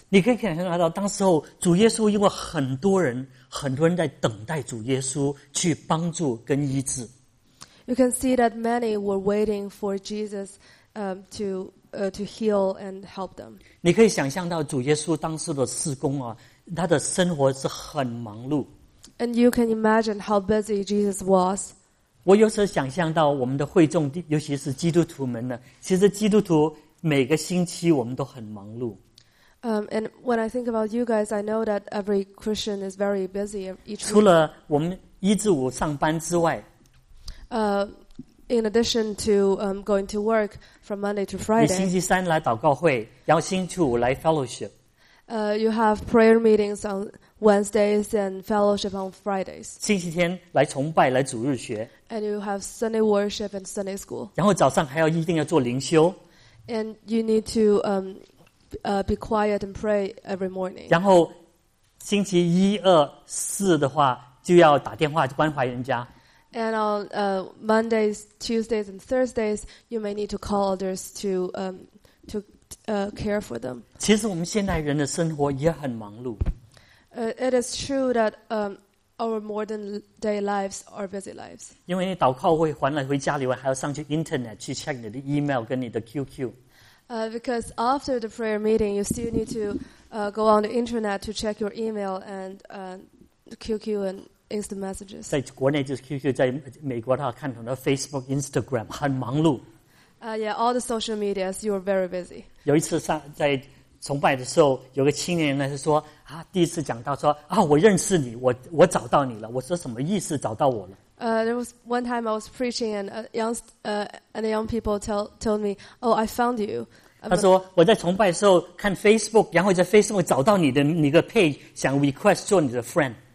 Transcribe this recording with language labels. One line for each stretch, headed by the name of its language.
Chinese: 你可以想象到，当时候主耶稣因为很多人，很多人在等待主耶稣去帮助跟医治。
English: You can see that many were waiting for Jesus, to heal and help them.
Chinese: 你可以想象到主耶稣当时的事工啊，他的生活是很忙碌。
English: And you can imagine how busy Jesus was.
Chinese: 我有时候想象到我们的会众，尤其是基督徒们呢。其实基督徒每个星期我们都很忙碌。
English: And when I think about you guys, I know that every Christian is very busy each week.
Chinese: 除了我们一至五上班之外
English: ，In addition to going to work from Monday to Friday,
Chinese: 你星期三来祷告会，然后星期五来 fellowship.
English: You have prayer meetings on Wednesdays and fellowship on Fridays.
Chinese: 星期天来崇拜，来主日学。
English: And you have Sunday worship and Sunday school.
Chinese: 然后早上还要一定要做灵修。
English: And you need to be quiet and pray every morning.
Chinese: 然后星期一二四的话就要打电话关怀人家。
English: And on Mondays, Tuesdays, and Thursdays, you may need to call others to care for them.
Chinese: 其实我们现代人的生活也很忙碌。
English: It is true that our modern day lives are busy lives.
Chinese: 因为你祷告会还来回家里，还要上去 internet 去 check 你的 email 跟你的 QQ.
English: Because after the prayer meeting, you still need to go on the internet to check your email and QQ and instant messages.
Chinese: 在国内就是 QQ， 在美国的话看很多 Facebook、Instagram， 很忙碌。
English: Yeah, all the social medias, you are very busy.
Chinese: 有一次在崇拜的时候，有个青年呢说啊，第一次讲到说啊，我认识你，我找到你了。我说什么意思？找到我了？
English: There was one time I was preaching and a young people told me, oh, I found you.
Chinese: 他说我在崇拜的时候看 Facebook， 然后在 Facebook 找到你的那个 page， 想 request 做你的 friend。